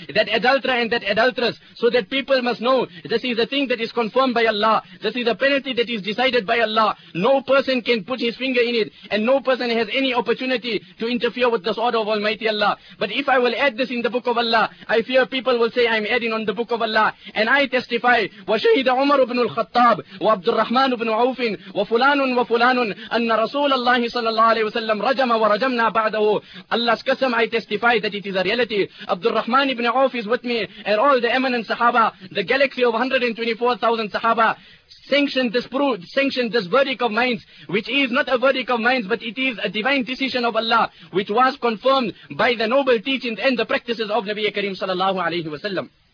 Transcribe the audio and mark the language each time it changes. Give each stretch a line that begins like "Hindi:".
English: that adulterer and that adulteress, so that people must know this is a thing that is confirmed by Allah, this is a penalty that is decided by Allah, no person can put his finger in it and no person has any opportunity to interfere with this order of Almighty Allah. But if I will add this in the book of Allah, I fear people will say I am adding on the book of Allah. And I testify,
Arabic: وَشَهِدَ عُمَرُ بْنُ الْخَطَّابِ وَعَبْدُ الرَّحْمَنُ بْنُ عَوْفٍ وَفُلَانٌ وَفُلَانٌ أَنَّ رَسُولَ اللَّهِ صَلَّى اللَّهُ عَلَيْهِ وَسَلَّمَ رَجَمَ وَرَجَمْنَا بَعْدَهُ
English: Allah's Qasam, I testify that it is a reality. Abdul Rahman ibn Auf is with me and all the eminent Sahaba, the galaxy of 124,000 Sahaba, sanctioned this verdict of minds, which is not a verdict of minds, but it is a divine decision of Allah, which was confirmed by the noble teachings and the practices of Nabiya Kareem sallallahu alayhi wa sallam.